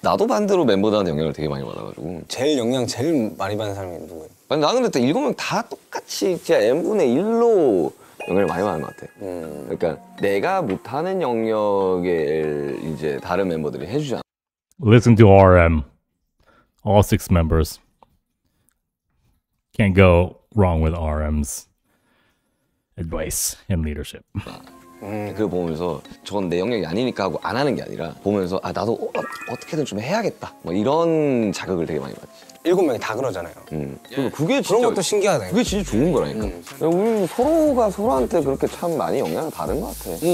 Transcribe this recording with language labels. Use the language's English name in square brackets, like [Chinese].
[Korean] 나도 반대로 멤버들한테 영향을 되게 많이 받아가지고. 제일 영향 제일 많이 받는 사람이 누구예요? 아니 나는 근데 일곱 명 다 똑같이 진짜 n분의 1로 영향을 많이 받는 것 같아. 그러니까 내가 못하는 영역에 이제 다른 멤버들이 해주잖아. [English] Listen to RM, all six members. Can't go wrong with RM's advice and leadership. [Korean] 그걸 보면서 저건 내 영역이 아니니까 하고 안 하는 게 아니라 보면서 아 나도 어떻게든 좀 해야겠다 뭐 이런 자극을 되게 많이 받지. 일곱 명이 다 그러잖아요. 그게 진짜 그런 것도 신기하네. 그게 진짜 좋은 거라니까. 우리 서로가 서로한테 그렇게 참 많이 영향을 받은 것 같아.